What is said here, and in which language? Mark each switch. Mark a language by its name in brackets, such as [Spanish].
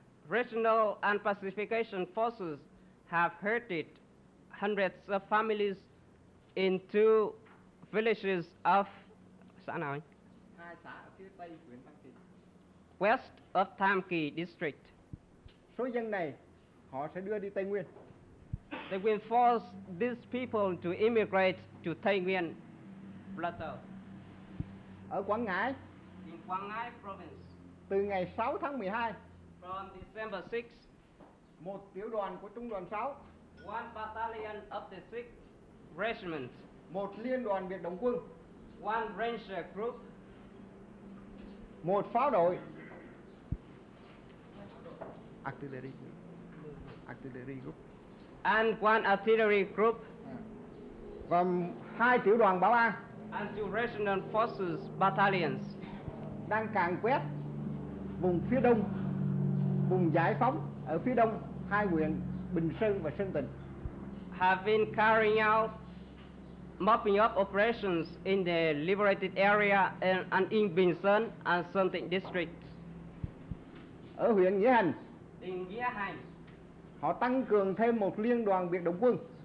[English] Regional and pacification forces have herded hundreds of families in two villages of [Vietnamese] xã nào? Hai xã phía tây huyện Tam Kỳ. [English] West of Tam Kỳ district. [Vietnamese] Số dân này họ sẽ đưa đi Tây Nguyên. [English] They will force these people to immigrate to Tây Nguyên Plateau. [Vietnamese] Ở Quảng Ngãi, [English] in Quảng Ngãi province, [Vietnamese] từ ngày 6 tháng 12, [English] from December 6, [Vietnamese] một tiểu đoàn của trung đoàn 6, [English] one battalion of the 6th regiment, [Vietnamese] một liên đoàn biệt động quân, [English] one ranger group, [Vietnamese] một pháo đội [English] artillery group, and one artillery group, [Vietnamese] và hai tiểu đoàn bảo an, [English] and two regional forces battalions, [Vietnamese] đang càn quét vùng phía đông, vùng giải phóng ở phía đông hai huyện Bình Sơn và Sơn Tịnh, [English] have been carrying out mopping up operations in the liberated area and in Bình Sơn and Sơn Tịnh district. [Vietnamese] Ở huyện Nghĩa Hành, [English] in Nghĩa Hành, [Vietnamese] họ tăng cường thêm một liên đoàn biệt động quân.